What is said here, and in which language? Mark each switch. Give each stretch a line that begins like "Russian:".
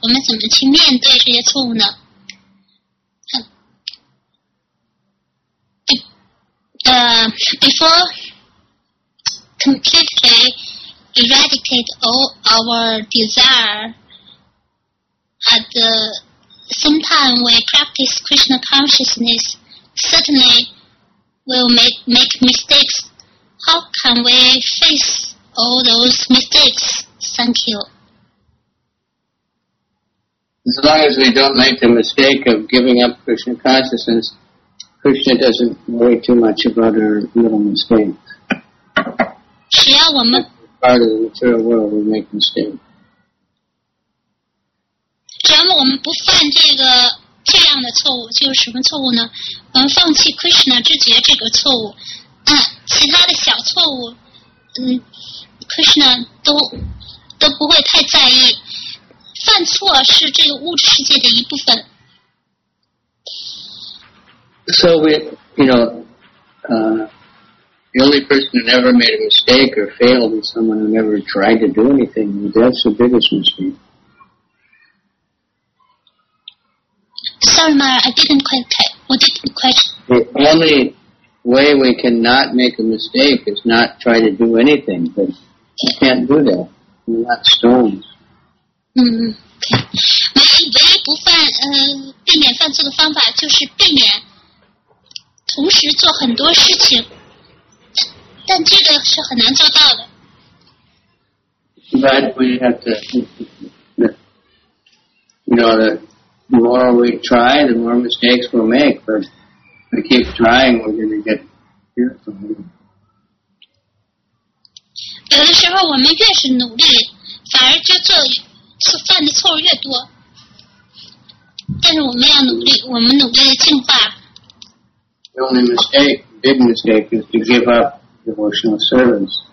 Chinese: 我们怎么去面对这些错误呢？
English: Before completely eradicate all our desire, at the sometime we practice Krishna consciousness, certainly we'll make mistakes. How can we face all those mistakes? Thank you. As long as we don't make the mistake of giving up Krishna consciousness, Krishna doesn't worry too much about our little mistakes.
Chinese: 只要我们
English: part of the material world, we make mistakes.
Chinese: 只要我们不犯这样的错误，就是什么错误呢？我们放弃 Krishna 之觉这个错误，其他的小错误，Krishna 都不会太在意。犯错是这个物质世界的一部分。
English: So we, you know, the only person who never made a mistake or failed is someone who never tried to do anything. That's the biggest mistake. Sorry, Mara, I didn't quite catch. What did you question? The only way we cannot make a mistake is not try to do anything, but you can't do that. We're not stones.
Chinese: Okay. 唯一不犯避免犯罪的方法就是避免同时做很多事情，但这个是很难做到的。
English: But we have to, you know, the more we try, the more mistakes we'll make. But if we keep trying, we're going to get fearful.
Chinese: 有的时候我们越是努力，反而就做犯的错误越多。但是我们要努力，我们努力的进化。
English: The only mistake, big mistake, is to give up devotional service.